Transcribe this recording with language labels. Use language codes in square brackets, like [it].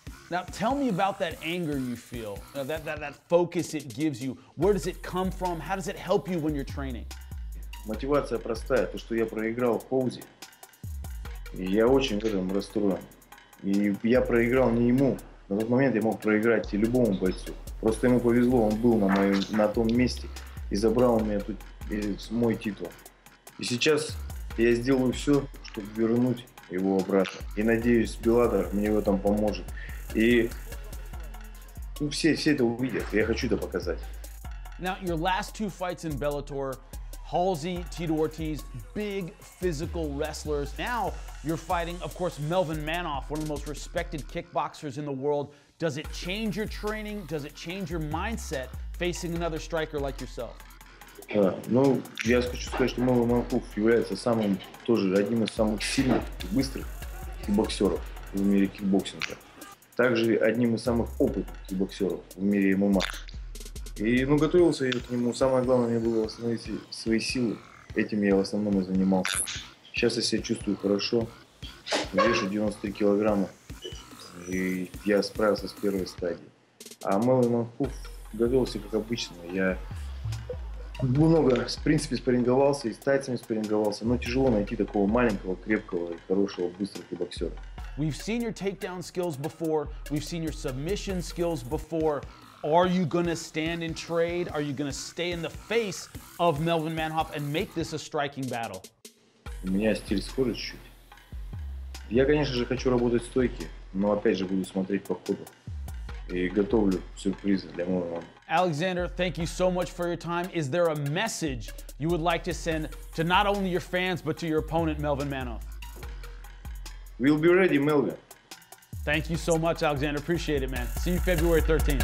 [en] Now tell me about that anger you feel, that focus it gives you. Where does it come from? How does it help you when you're training? [ru] Мотивация простая, то что я проиграл Коузи. Я очень этим расстроен. И я проиграл не ему. На тот момент я мог проиграть и любому бойцу. Просто ему повезло, он был на том месте и забрал у меня тут мой титул. И сейчас я сделаю все, чтобы вернуть его обратно. И надеюсь, Bellator мне в этом поможет. И все это увидят. Я хочу это показать. [en] Now, your last two fights in Bellator, Halsey, Tito Ortiz, big physical wrestlers. Now, you're fighting, of course, Melvin Manhoef, one of the most respected kickboxers in the world. Does it change your training? Does it change your mindset facing another striker like yourself? [ru] Ну, я хочу сказать, что Melvin Manhoef является самым, тоже одним из самых сильных и быстрых боксеров в мире кикбоксинга. Также одним из самых опытных боксеров в мире ММА. И, ну, готовился я к нему. Самое главное, мне было восстановить свои силы. Этим я в основном и занимался. Сейчас я себя чувствую хорошо. Вешу 93 килограмма. И я справился с первой стадией. А Melvin Manhoef готовился как обычно. Я много, в принципе, спарринговался, и с тайцами спарринговался, но тяжело найти такого маленького, крепкого и хорошего, быстрого боксера. [en] We've seen your takedown skills before, we've seen your submission skills before. Are you gonna stand and trade? Are you gonna stay in the face of Melvin Manhoef and make this a striking battle? [ru] У меня стиль схожий чуть-чуть. Я, конечно же, хочу работать в стойке, но опять же буду смотреть по ходу. И готовлю сюрпризы для моего мамы. [en] Alexander, thank you so much for your time. Is there a message you would like to send to not only your fans, but to your opponent, Melvin Manhoef? We'll be ready, Melvin. Thank you so much, Alexander. Appreciate it, man. See you February 13th.